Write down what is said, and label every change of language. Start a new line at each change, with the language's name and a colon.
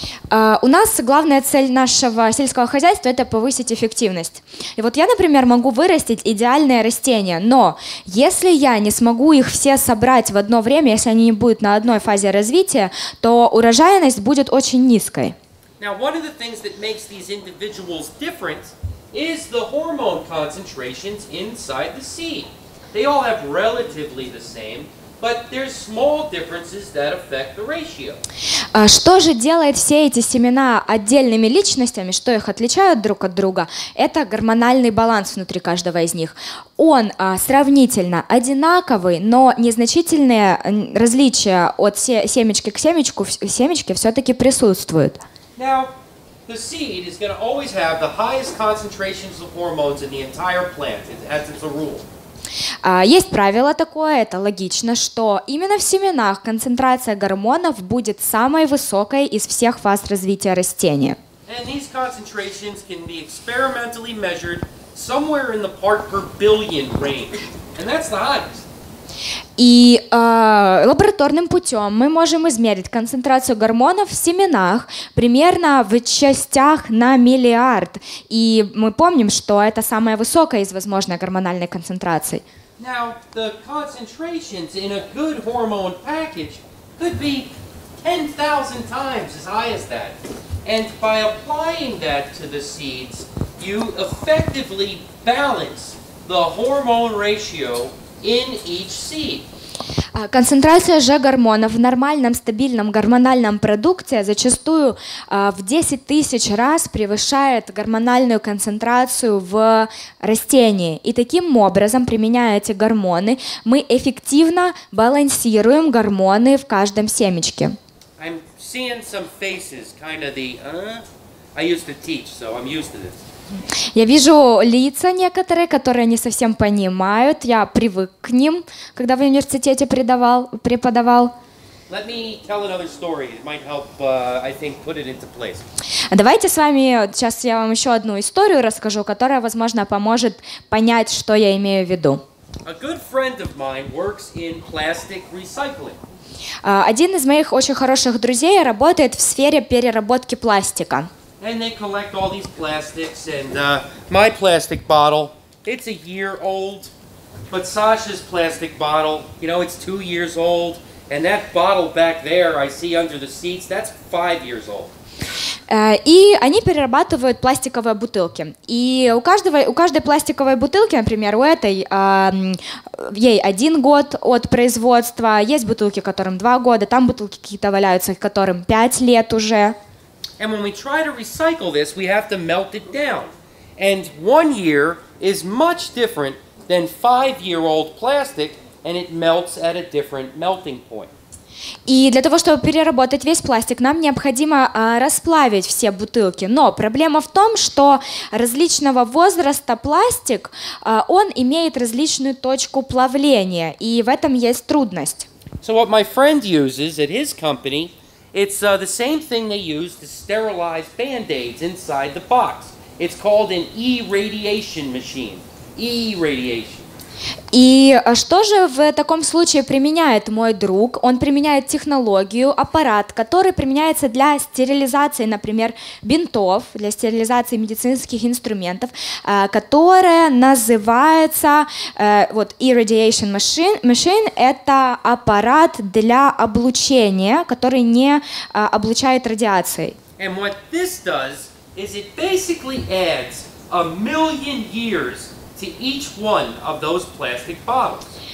Russian: У нас главная цель нашего сельского хозяйства – это повысить эффективность. И вот я, например, могу вырастить идеальное растение, но если я не смогу их все собрать в одно время, если они не будут на одной фазе развития, то урожайность будет очень низкой.
English: Now, one of the things that makes these individuals different is the hormone concentrations inside the seed. They all have relatively the same. But there's small differences that affect the ratio.
Russian: Что же делает все эти семена отдельными личностями, что их отличают друг от друга? Это гормональный баланс внутри каждого из них. Он сравнительно одинаковый, но незначительные различия от семечки к семечку, семечки все-таки присутствуют.
English: Now, the seed is going to always have the highest concentrations of hormones in the entire plant, as it's a rule.
Russian: Есть правило такое, это логично, что именно в семенах концентрация гормонов будет самой высокой из всех фаз развития растения.
English: And these concentrations can be experimentally measured somewhere in the part per billion range. And that's the highest.
Russian: И лабораторным путем мы можем измерить концентрацию гормонов в семенах примерно в частях на миллиард. И мы помним, что это самая высокая из возможной гормональной концентрации.
English: Now, the concentrations in a good hormone package could be 10,000 times as high as that. And by applying that to the seeds, you effectively balance the hormone ratio in each seed.
Russian: Концентрация же гормонов в нормальном стабильном гормональном продукте зачастую в 10 тысяч раз превышает гормональную концентрацию в растении. И таким образом, применяя эти гормоны, мы эффективно балансируем гормоны в каждом семечке.
English: I'm seeing some faces, kind of the, I used to teach, so I'm used to this.
Russian: Я вижу лица некоторые, которые не совсем понимают. Я привык к ним, когда в университете преподавал.
English: Let me tell another story. It might help, I think, put it into place.
Russian: Давайте с вами, сейчас я вам еще одну историю расскажу, которая, возможно, поможет понять, что я имею в виду.
English: A good friend of mine works in plastic recycling.
Russian: Один из моих очень хороших друзей работает в сфере переработки пластика.
English: And they collect all these plastics, and my plastic bottle, it's a year old, but Sasha's plastic bottle, you know, it's 2 years old, and that bottle back there I see under the seats, that's 5 years old.
Russian: И они перерабатывают пластиковые бутылки. И у каждой пластиковой бутылки, например, у этой ей один год от производства, есть бутылки, которым 2 года, там бутылки какие-то валяются, которым 5 лет уже.
English: And when we try to recycle this, we have to melt it down. And 1 year is much different than 5-year-old plastic, and it melts at a different melting point.
Russian: И для того, чтобы переработать весь пластик, нам необходимо расплавить все бутылки. Но проблема в том, что различного возраста пластик, он имеет различную точку плавления, и в этом есть трудность.
English: So what my friend uses at his company, it's the same thing they use to sterilize band-aids inside the box. It's called an e-radiation machine. E-radiation.
Russian: И что же в таком случае применяет мой друг? Он применяет технологию, аппарат, который применяется для стерилизации, например, бинтов, для стерилизации медицинских инструментов, которая называется вот irradiation machine. Это аппарат для облучения, который не облучает радиацией.
English: And what this does is it basically adds a million years to each one of those plastic bottles.